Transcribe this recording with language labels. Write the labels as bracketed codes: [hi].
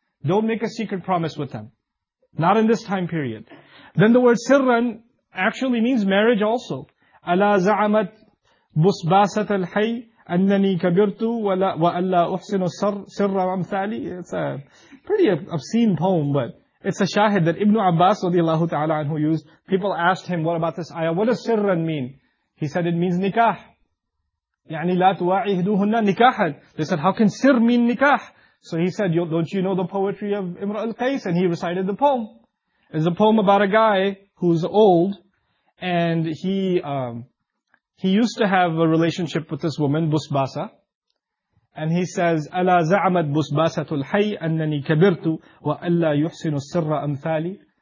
[en] Don't make a secret promise with them. Not in this time period. Then the word سرًا actually means marriage also. [ar] ألا زعمت بصباسة الحي أنني كبرت وألا أحسن سر أمثالي. [en] It's a pretty obscene poem, but it's a shahid that Ibn Abbas radiallahu ta'ala anhu used. People asked him, what about this ayah? What does sirran mean? He said it means nikah. [ar] يعني لا تواعدوهن نكاحا. [en] They said, how can sir mean nikah? So he said, don't you know the poetry of Imra al-Qais? And he recited the poem. It's a poem about a guy who's old, and he used to have a relationship with this woman, Busbasa. And he says, [ar] أَلَا زَعَمَتْ بُسْبَاسَةُ الْحَيِّ أَنَّنِي كَبِرْتُ وَأَلَّا يُحْسِنُ السِّرَّ أَمْثَالِي.